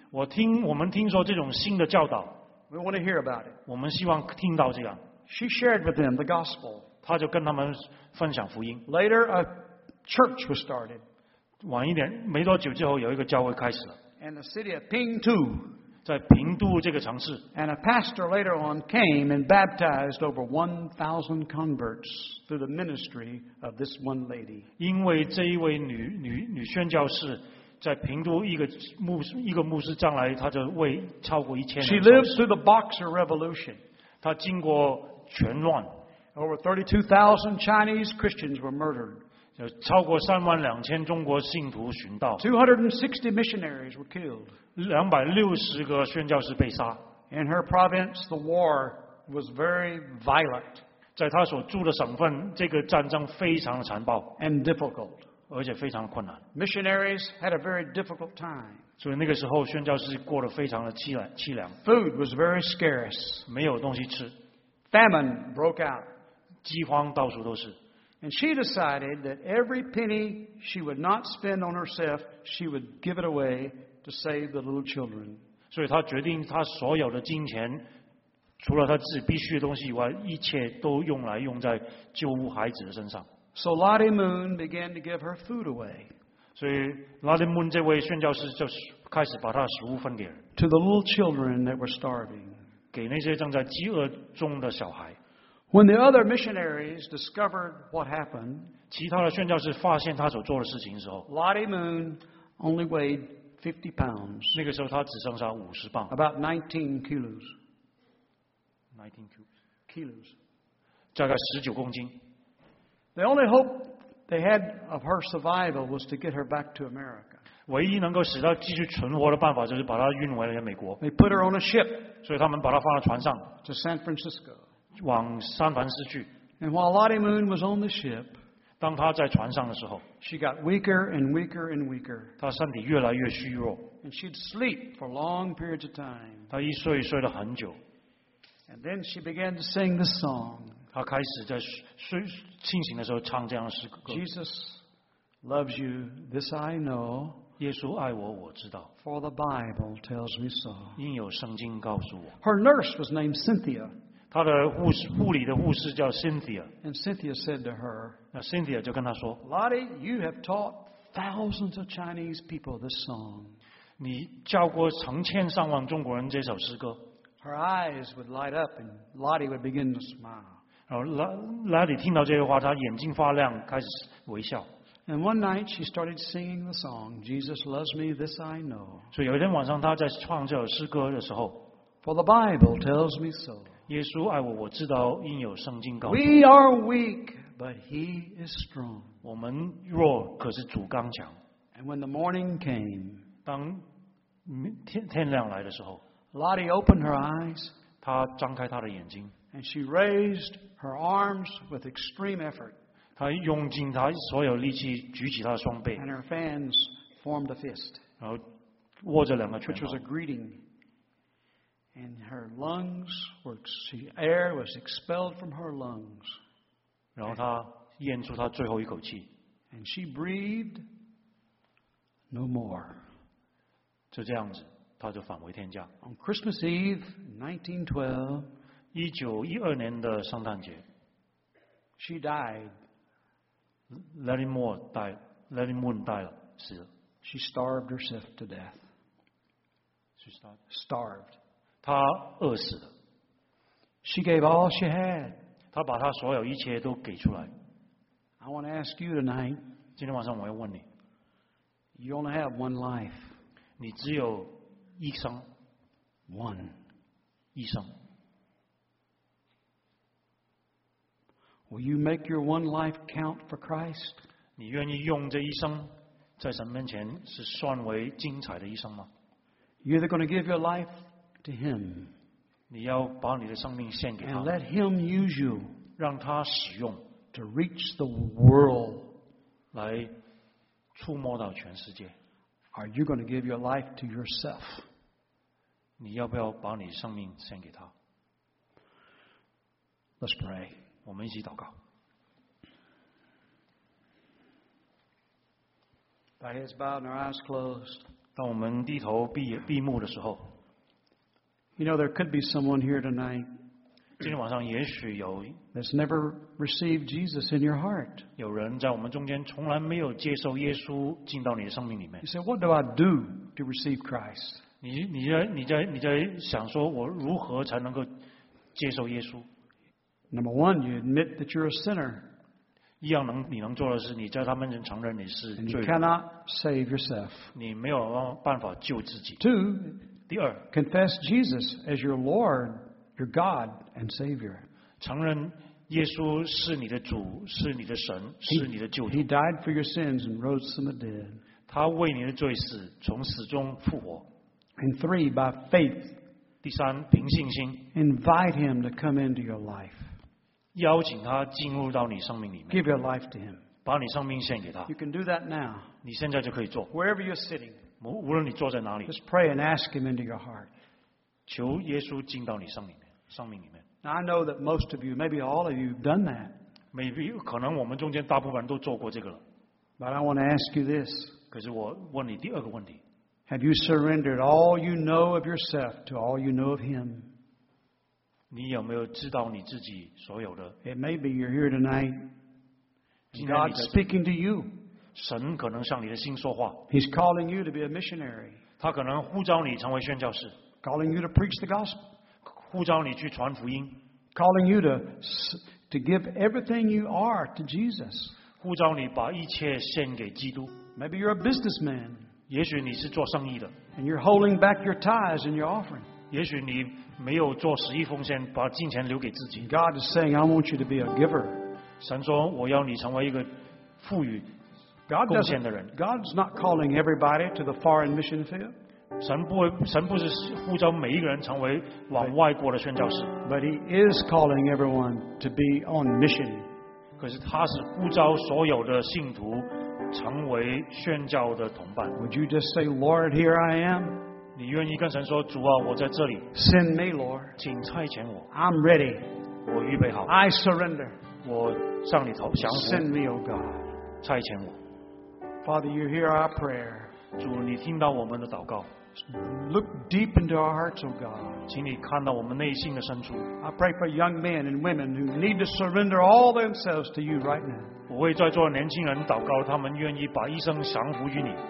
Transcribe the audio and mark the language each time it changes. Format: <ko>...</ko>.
<zh>我们听说这种新的教导</zh> <en>We want to hear about it.</en> <zh>我们希望听到这样</zh> <en>She shared with them the gospel.</en> <zh>她就跟他们分享福音</zh> <en>Later a church was started.</en> <zh>晚一点没多久之后有一个教会开始了</zh> <en>And the city of Pingtu.</en> <zh>在平度这个城市</zh> <en>and a pastor later on came and baptized over 1,000 converts through the ministry of this one lady.</en> <zh>因为这一位 女宣教士在平度一个牧师将来他就为超过1000人</zh> <en>She lived through the Boxer Revolution.</en> <zh>他经过拳乱</zh> <en>Over 32,000 Chinese Christians were murdered.</en> <zh>有超过32,000中国信徒殉道</zh> <en>260 missionaries were killed.</en> <zh>260个宣教士被杀。</zh> <en>In her province, the war was very violent.</en> <zh>在她所住的省份，这个战争非常的残暴。</zh> <en>And difficult.</en> <zh>而且非常的困难。</zh> <en>Missionaries had a very difficult time.</en> <zh>所以那个时候，宣教士过得非常的凄凉。</zh> <en>Food was very scarce.</en> <zh>没有东西吃。</zh> <en>Famine broke out.</en> <zh>饥荒到处都是。</zh> <en>And she decided that every penny she would not spend on herself, she would give it away. To save the little children.</en> <zh>所以他决定他所有的金钱除了他自己必须的东西以外一切都用在救护孩子的身上。</zh> <en>So Lottie Moon began to give her food away.</en> <zh>所以 Lottie Moon 这位宣教师就开始把他的食物分给人。</zh> <en>To the little children that were starving.</en> <zh>给那些正在饥饿中的小孩。</zh> <en>When the other missionaries discovered what happened,</en> <zh>其他的宣教师发现他所做的事情的时候</zh> <en>Lottie Moon only weighed 50 pounds.</en> <zh>那个时候他只剩下50磅。</zh> <en>About 19 kilos. 19 kilos. Kilos.</en> <zh>大概19公斤。</zh> <en>The only hope they had of her survival was to get her back to America.</en> <zh>唯一能够使她继续存活的办法就是把她运回了美国。</zh> <en>They put her on a ship.</en> <zh>所以他们把她放到船上。</zh> <en>To San Francisco.</en> <zh>往三藩市去。</zh> <en>And while Lottie Moon was on the ship,</en> <zh>当她在船上的时候</zh> <en>she got weaker and weaker and weaker.</en> <zh>她身体越来越虚弱。</zh> <en>And she'd sleep for long periods of time.</en> <zh>她一睡睡了很久。</zh> <en>And then she began to sing this song.</en> <zh>她开始在清醒的时候唱这样的诗歌。</zh> <en>Jesus loves you, this I know.</en> <zh>耶稣爱我，我知道。</zh> <en>For the Bible tells me so.</en> <zh>因有圣经告诉我。</zh> <en>Her nurse was named Cynthia.</en> <zh>她的护理的护士叫 Cynthia.</zh> <en>And Cynthia said to her,</en> <zh>那 Cynthia 就跟她说，</zh> <en>Lottie, you have taught thousands of Chinese people this song.</en> <zh>你教过成千上万中国人这首诗歌。</zh> <en>Her eyes would light up and Lottie would begin to smile.</en> <zh>然后 Lottie 听到这些话，她眼睛发亮，开始微笑。</zh> <en>And one night she started singing the song, Jesus loves me, this I know.</en> <zh>所以有一天晚上她在唱这首诗歌的时候，</zh> <en>For the Bible tells me so.</en> <zh>耶稣爱我，我知道，因有圣经告诉我。</zh> <en>We are weak, but he is strong.</en> <zh>我们弱，可是主刚强。</zh> <en>And when the morning came,</en> <zh>当天亮来的时候，</zh> <en>Lottie opened her eyes.</en> <zh>她张开她的眼睛。</zh> <en>And she raised her arms with extreme effort.</en> <zh>她用尽她所有力气举起她的双臂。</zh> <en>And her fans formed a fist.</en> <zh>然后握着两个拳头。</zh> <en>Which was a greeting. And her lungs were, air was expelled from her lungs.</en> <zh>然后她咽出她最后一口气。</zh> <en>And she breathed no more.</en> <zh>就这样子。他就返回天家。</zh> <en>On Christmas Eve, 1912,</en> <zh>1912年的圣诞节</zh> <en>，She died.</en> <zh>Lottie Moon 死了。</zh> <en>She starved herself to death. She starved.</en> <zh>她饿死了。</zh> <en>She gave all she had.</en> <zh>她把她所有一切都给出来。</zh> <en>I want to ask you tonight.</en> <zh>今天晚上我要问你。</zh> <en>You only have one life.</en> <zh>你只有一生</zh> <en>one</en> <zh>一生</zh> <en>Will you make your one life count for Christ?</en> <zh>你愿意用这一生在神面前是算为精彩的一生吗？</zh> <en>You're either going to give your life to him.</en> <zh>你要把你的生命献给他。</zh> <en>And let him use you.</en> <zh>让他使用。</zh> <en>To reach the world.</en> <zh>来触摸到全世界。</zh> <en>Are you going to give your life to yourself?</en> <zh>你要不要把你生命献给他？</zh> <en>Let's pray.</en> <zh>我们一起祷告。</zh> <en>Our heads bowed and our eyes closed.</en> <zh>当我们低头闭目的时候，</zh> <en>You know, there could be someone here tonight.</en> <zh>今天晚上也许有</zh> <en>that's never received Jesus in your heart.</en> <zh>有人在我们中间从来没有接受耶稣进到你的生命里面。</zh> <en>You say, what do I do to receive Christ?</en> <zh>你在想说我如何才能够接受耶稣？</zh> <en>Number one, you admit that you're a sinner.</en> <zh>一样你能做的是你在他面前承认你是罪人。</zh> <en>And you cannot save yourself.</en> <zh>你没有办法救自己。</zh> <en>Two,</en> <zh>第二，</zh> <en>confess Jesus as your Lord. Your God and Savior.</en> <zh>承认耶稣是你的主，是你的神，是你的救主。</zh> <en>He died for your sins and rose from the dead.</en> <zh>他为你的罪死，从死中复活。</zh> <en>And three, by faith.</en> <zh>第三，凭信心。</zh> <en>Invite him to come into your life.</en> <zh>邀请他进入到你生命里面。</zh> <en>Give your life to him.</en> <zh>把你生命献给他。</zh> <en>You can do that now.</en> <zh>你现在就可以做。</zh> <en>Wherever you're sitting.</en> <zh>无论你坐在哪里。</zh> <en>Just pray and ask him into your heart.</en> <zh>求耶稣进到你生命里面。</zh> <en>Now I know that most of you, maybe all of you, have done that. Maybe</en> <zh>可能我们中间大部分人都做过这个了。</zh> <en>But I want to ask you this.</en> <zh>可是我问你第二个问题。</zh> <en>Have you surrendered all you know of yourself to all you know of Him?</en> <zh>你有没有知道你自己所有的</zh> <en>？It may be you're here tonight. God speaking to you.</en> <zh>神可能向你的心说话。</zh> <en>He's calling you to be a missionary.</en> <zh>他可能呼召你成为宣教士。</zh> <en>Calling you to preach the gospel.</en> <zh>呼召你去传福音。</zh> <en>Calling you to give everything you are to Jesus.</en> <zh>呼召你把一切献给基督。</zh> <en>Maybe you're a businessman.</en> <zh>也许你是做生意的。</zh> <en>And you're holding back your tithes and your offering.</en> <zh>也许你没有做十一奉献，把金钱留给自己。</zh> <en>God is saying, I want you to be a giver.</en> <zh>神说，我要你成为一个富裕贡献的人。</zh> <en>God's not calling everybody to the foreign mission field.</en> <zh>神不是呼召每一个人成为往外国的宣教士。</zh> <en>But He is calling everyone to be on mission.</en> <zh>可是他是呼召所有的信徒成为宣教的同伴。</zh> <en>Would you just say, Lord, here I am?</en> <zh>你愿意跟神说，主啊，我在这里。</zh> <en>Send me, Lord.</en> <zh>请差遣我。</zh> <en>I'm ready.</en> <zh>我预备好。</zh> <en>I surrender.</en> <zh>我向你投降服。</zh> <en>Send me, O God.</en> <zh>差遣我。</zh> <en>Father, you hear our prayer.</en> <zh>主，你听到我们的祷告。</zh> <en>Look deep into our hearts, O God.</en> <zh>请你看到我们内心的深处。</zh> <en>I pray for young men and women who need to surrender all themselves to you right now.</en> <zh>我为在座年轻人祷告，他们愿意把一生降服于你。</zh>